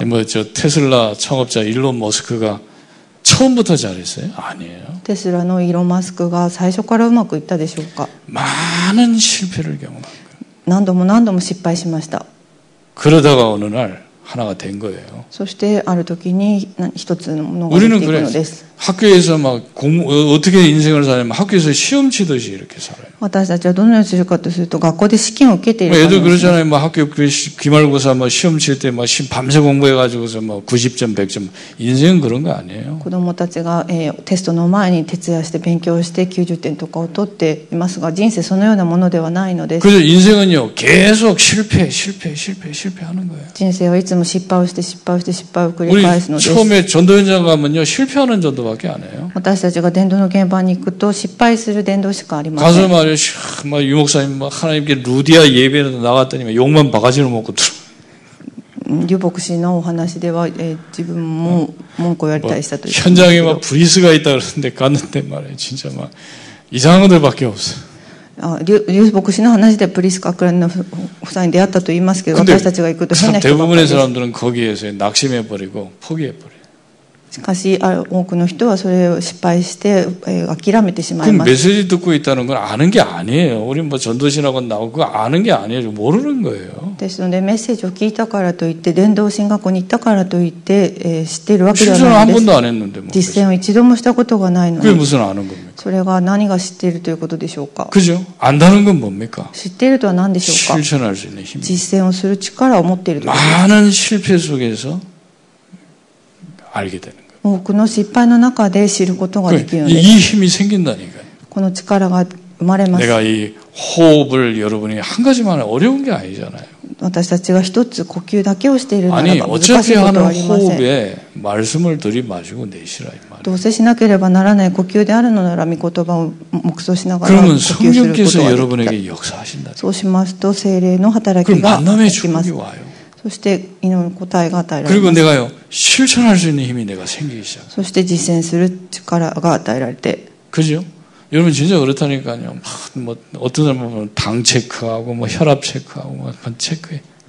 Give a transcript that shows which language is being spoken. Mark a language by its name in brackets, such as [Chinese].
[Korean] 뭐저테슬라창업자일론머스크가처음부터잘했어요아니에요 [Japanese] 테슬라의일론머스크가最初からうまくいったでしょうか [Korean] 많은실패를경험한거예요 [Japanese] 何度も何度も失敗しました [Korean] 그러다가어느날하나가된거예요 [Japanese] そしてある時に一つのものができていくのです [Korean] 학교에서막공어떻게인생을사냐면학교에서시험치듯이이렇게살아요 [Japanese] 私たちはどのようにするかとすると学校で試験を受けている [Korean] 애들그러잖아요막학교기말고사막시험칠때막밤새공부해가지고서막90점100점인생은그런거아니에요 [Japanese] 子供たちがテストの前に徹夜して勉強して90点とかを取っていますが人生そのようなものではないのです [Korean] 그래서인생은요계속실패실패실패실패하는거예요 [Japanese] 人生はいつも失敗をして失敗をして失敗を繰り返すのです [Korean] 우리처음에전도현장가면요실패하는전도밖에안해요 [Japanese] 私たちが伝道の現場に行くと失敗する伝道しかありません [Korean] 가서말이야막유목사님막하나님께루디아예배로나갔더니막욕만바가지로먹고들어 [Japanese] 유복씨의お話では自分も文句をやりたいしたという [Korean] 현장에막브리스가있다그러는데갔는데말이야진짜막이상한것들밖에없어 [Japanese] 유복씨의話でプリスカクラの夫妻に出会ったと言いますけど私たちが行くと [Korean] 대부분의사람들은거기에서낙심해버리고포기해버려 [Japanese] しかし多くの人はそれを失敗して諦めてしまいます。 [Korean] メッセージ듣고있다는건아는게아니에요。우리뭐전도신학원나오고아는게아니에요。모르는거예요。 [Japanese] ですのでメッセージを聞いたからといって伝道神学校に行ったからといって知っているわけではないです。 [Korean] 実践한번도안했는데 뭐。 [Japanese] 実践を一度もしたことがないので。 [Korean] 그게무슨아는겁니까。 [Japanese] それが何が知っているということでしょうか。 [Korean] 그죠。 안다는건뭡니까。 [Japanese] 知っているとは何でしょうか。 [Korean] 실천할수있는힘。 [Japanese] 実践をする力を持っている。 [Korean] 많은실패속에서알게되는 [Japanese] 多くの失敗の中で知ることができるのです [Korean] 。이힘이생긴다니까 [Japanese] この力が生まれます。 [Korean] 내가이호흡을여러분이한가지만어려운게아니잖아요。 [Japanese] 私たちが一つ呼吸だけをしているならば難しいことはありません。 [Korean] 아니어차피하는 호흡에말씀을들이마시고내쉬라이말 [Japanese] どうせしなければならない呼吸であるのなら御言葉を黙想しながら [Korean] 그러면성령께서여러분에게역사하신다 [Japanese] そうしますと精霊の働きが [Korean] 만남의축복이와요 [Japanese] そして祈る答えが与えられます。 [Korean] 그리고내가요실천할수있는힘이내가생기기시작 [Japanese] そして実践する力が与えられて。 [Korean] 그죠여러분진짜그렇다니까요막뭐어떤사람은당체크하고뭐혈압체크하고막체크해